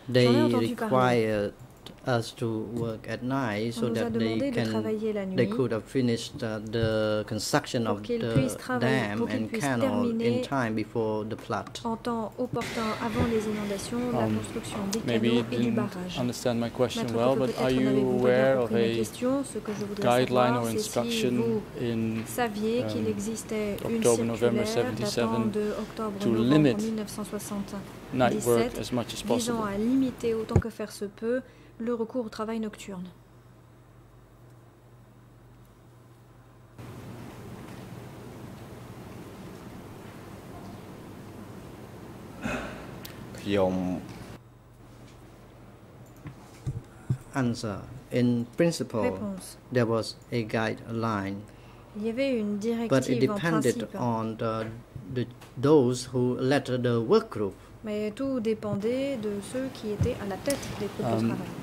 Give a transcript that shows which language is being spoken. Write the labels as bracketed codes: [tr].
[en] They required us to work at night so that they could have finished the construction of the dam and canal in time before the flood. [fr] En temps opportun avant les inondations, la construction des canaux et du barrage. [en] Understand my question well, but are you aware of a guideline or instruction in October-November 1977 to limit night work as much as possible, [fr] visant à limiter autant que faire se peut le recours au travail nocturne. [en] Answer. In principle, there was a guideline. [fr] Il y avait une directive. [en] But it depended on those who led the work group. [fr] Mais tout dépendait de ceux qui étaient à la tête des groupes de travail.